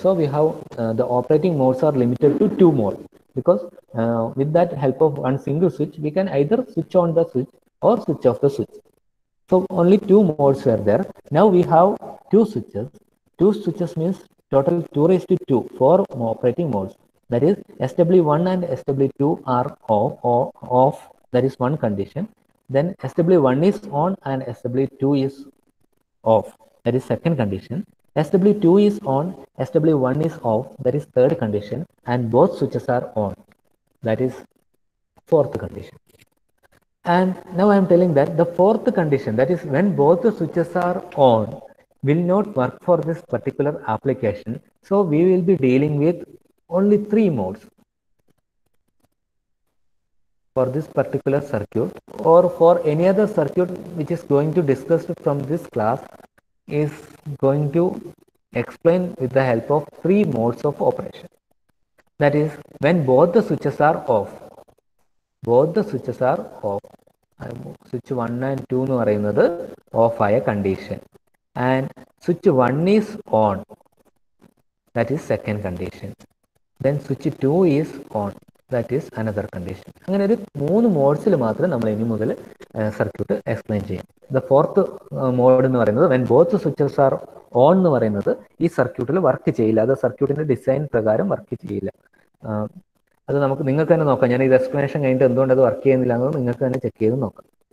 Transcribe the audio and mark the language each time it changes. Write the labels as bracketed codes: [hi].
[en] So we have the operating modes are limited to two mode because with that help of one single switch we can either switch on the switch or switch off the switch. So only two modes are there. Now we have two switches means total 2 raised to 2, 4 operating modes. That is SW1 and SW2 are off or off, that is one condition. Then SW1 is on and SW2 is off. That is second condition. SW2 is on, SW1 is off. That is third condition. And both switches are on. That is fourth condition. And now I am telling that the fourth condition, that is when both the switches are on, will not work for this particular application. So we will be dealing with only 3 modes for this particular circuit, or for any other circuit which is going to discussed from this class, is going to explain with the help of 3 modes of operation. That is, when both the switches are off, both the switches are off, switch 1 and 2 [ml] nu parayunnathu off aaya [en] condition, and switch 1 is on, that is second condition, then switch 2 is on, that is another condition. [ml] അങ്ങനെ ഒരു 3 മോഡ്സിൽ മാത്രം നമ്മൾ ഇനി മുതൽ circuit explain ചെയ്യും. [en] the fourth mode [ml] എന്ന് പറയുന്നത് [en] when both switches are on [ml] എന്ന് പറയുന്നത് ഈ സർക്യൂട്ടിൽ വർക്ക് ചെയ്യില്ല, അത് സർക്യൂട്ടിന്റെ ഡിസൈൻ പ്രകാരം വർക്ക് ചെയ്യില്ല. അത് നമുക്ക് നിങ്ങൾക്ക് തന്നെ നോക്കാം. ഞാൻ ഇത് എക്സ്പ്ലനേഷൻ കഴിഞ്ഞിട്ട് എന്തുകൊണ്ട് അത് വർക്ക് ചെയ്യുന്നില്ല എന്നത് നിങ്ങൾക്ക് തന്നെ ചെക്ക് ചെയ്ത് നോക്കാം.